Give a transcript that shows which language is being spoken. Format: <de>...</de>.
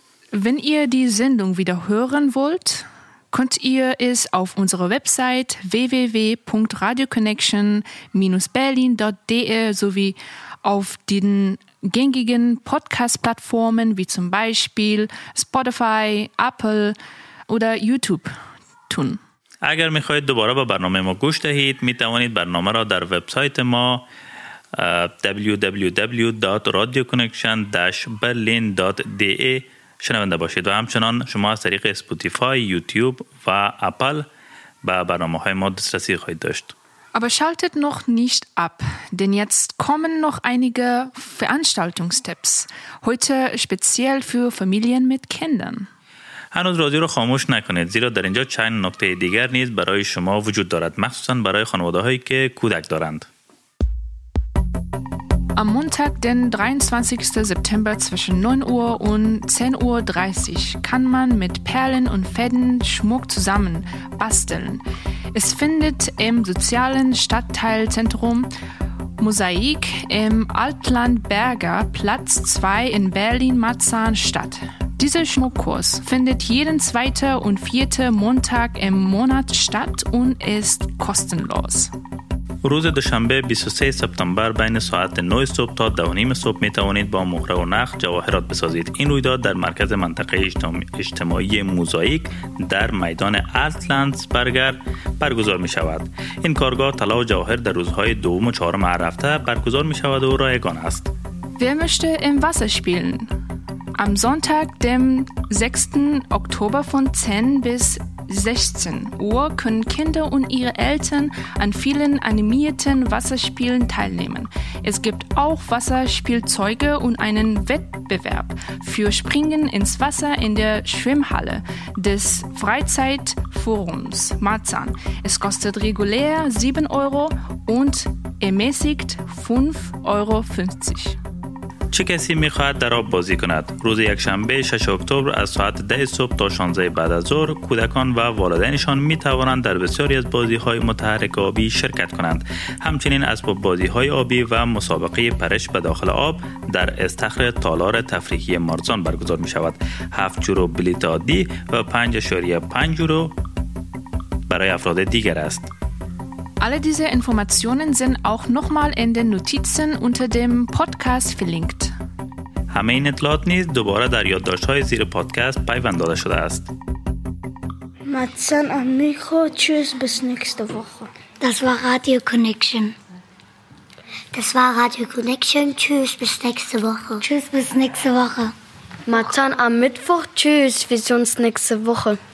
<de>Wenn ihr die Sendung wieder hören wollt, könnt ihr es auf unserer Website www.radioconnection-berlin.de sowie auf den gängigen Podcast-Plattformen wie zum Beispiel Spotify, Apple oder YouTube tun.</de> <fa>اگر می خواهید دوباره به برنامه ما گوش دهید، می توانید برنامه را در وبسایت ما www.radioconnection-berlin.de شنونده باشید و همچنان شما از طریق اسپوتیفای، یوتیوب و اپل به برنامه های ما دسترسی خواهید داشت.</fa> <de>Aber schaltet noch nicht ab, denn jetzt kommen noch einige Veranstaltungstipps. Heute speziell für Familien mit Kindern.</de> <fa>هنوز رادیو رو خاموش نکنید، زیرا در اینجا چند نکته دیگر نیز برای شما وجود دارد، مخصوصاً برای خانواده هایی که کودک دارند.</fa> <de>Am Montag, den 23. September zwischen 9 Uhr und 10.30 Uhr kann man mit Perlen und Fäden Schmuck zusammen basteln. Es findet im sozialen Stadtteilzentrum Mosaik im Altlandberger Platz 2 in Berlin-Marzahn statt. Dieser Schmuckkurs findet jeden zweiten und vierten Montag im Monat statt und ist kostenlos.</de> <fa>روز دوشنبه 23 سپتامبر بین ساعت 9 صبح تا 10 نیم صبح می توانید با مهره و نخ جواهرات بسازید. این رویداد در مرکز منطقه اجتماعی موزاییک در میدان آلتلندبرگر برگزار می شود. این کارگاه طلا و جواهر در روزهای دوم و چهارم هر هفته برگزار می شود و رایگان است.</fa> <de>Wer möchte im Wasser spielen? Am Sonntag, dem 6. Oktober von 10 bis 16 Uhr können Kinder und ihre Eltern an vielen animierten Wasserspielen teilnehmen. Es gibt auch Wasserspielzeuge und einen Wettbewerb für Springen ins Wasser in der Schwimmhalle des Freizeitforums Marzahn. Es kostet regulär 7 Euro und ermäßigt 5,50 Euro.</de> <fa>چه کسی میخواهد در آب بازی کند؟ روز یک شنبه 6 اکتبر از ساعت 10 صبح تا 16 بعد از ظهر کودکان و والدینشان میتوانند در بسیاری از بازی های متحرک آبی شرکت کنند. همچنین اسباب بازی های آبی و مسابقه پرش به داخل آب در استخر تالار تفریحی مارزان برگزار میشود. 7 یورو بلیط عادی و 5.5 یورو برای افراد دیگر است.</fa> <de>Alle diese Informationen sind auch nochmal in den Notizen unter dem Podcast verlinkt.</de> <fa>همه این اطلاعات نیز دوباره در یادداشت‌های زیر پادکست پیوند داده شده است.</fa> <de>Matzen am Mikro, tschüss, bis nächste Woche. Das war Radio Connection. Das war Radio Connection, tschüss, bis nächste Woche. Tschüss, bis nächste Woche. Matzen am Mittwoch, tschüss, wir sehen uns nächste Woche.</de>